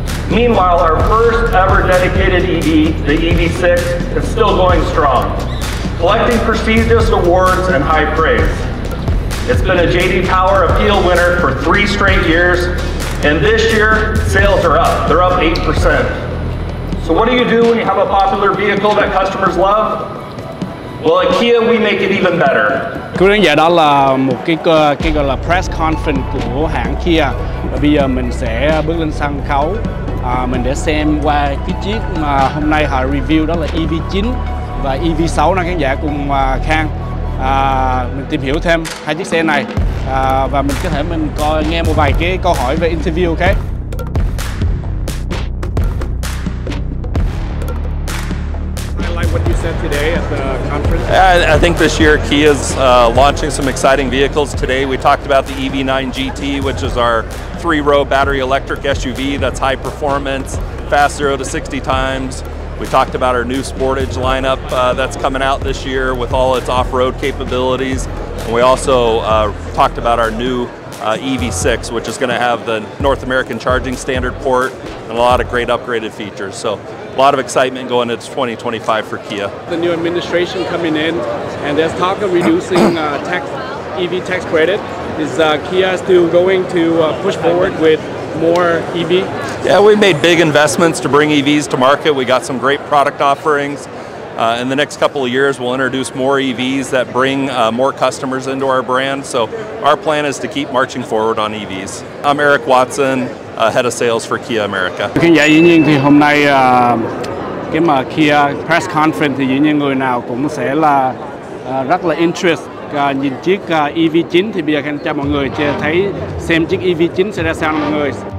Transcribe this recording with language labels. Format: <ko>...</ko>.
<en>Meanwhile, our first ever dedicated EV, the EV6, is still going strong, collecting prestigious awards and high praise. It's been a JD Power Appeal winner for 3 straight years, and this year, sales are up. They're up 8%. So what do you do when you have a popular vehicle that customers love? Well, at Kia, we make it even better.</en> <vi>Quý khán giả, đó là một cái gọi là press conference của hãng Kia. Và bây giờ mình sẽ bước lên sân khấu. Mình để xem qua cái chiếc mà hôm nay họ review, đó là EV9 và EV6 nè, khán giả cùng Khang. Mình tìm hiểu thêm hai chiếc xe này. Và mình có thể mình coi nghe một vài cái câu hỏi về interview, ok?</vi> <en>I think this year Kia is launching some exciting vehicles. Today we talked about the EV9 GT, which is our 3-row battery electric SUV that's high performance, fast 0 to 60 times. We talked about our new Sportage lineup that's coming out this year with all its off-road capabilities. And we also talked about our new EV6, which is going to have the North American charging standard port and a lot of great upgraded features. So a lot of excitement going into 2025 for Kia. The new administration coming in, and there's talk of reducing EV tax credit. Is Kia still going to push forward with more EV? Yeah, we made big investments to bring EVs to market. We got some great product offerings. In the next couple of years, we'll introduce more EVs that bring more customers into our brand. So our plan is to keep marching forward on EVs. I'm Eric Watson, head of sales for Kia America.</en> <vi>Khán giả, dĩ nhiên thì hôm nay cái mà Kia press conference thì dĩ nhiên người nào cũng sẽ là rất là interest nhìn chiếc EV9. Thì bây giờ khán cho mọi người thấy xem chiếc EV9 sẽ ra sao mọi người.</vi>